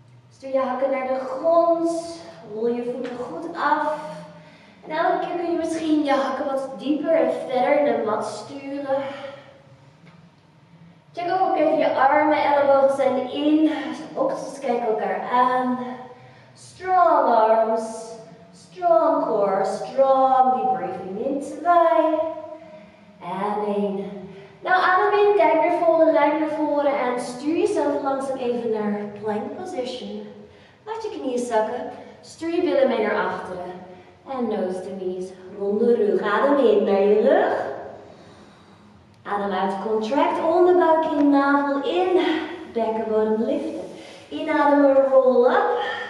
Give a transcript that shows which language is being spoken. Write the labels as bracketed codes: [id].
[nl] Stuur je hakken naar de grond. Rol je voeten goed af. En elke keer kun je misschien je hakken wat dieper en verder in de mat sturen. Check ook even je armen. Ellebogen zijn in. Oksels kijken elkaar aan. [en] Strong arms, strong core, strong deep breathing in 2 and in. [nl] Nou, adem in, kijk naar voren, lijk naar voren en stuur jezelf langzaam even naar plank position. Laat je knieën zakken, stuur je billen mee naar achteren en [en] nose to knees, [nl] ronde rug. Adem in naar je rug, adem uit, contract onderbuik in, navel in, bekkenbodem liften, inademen, roll up.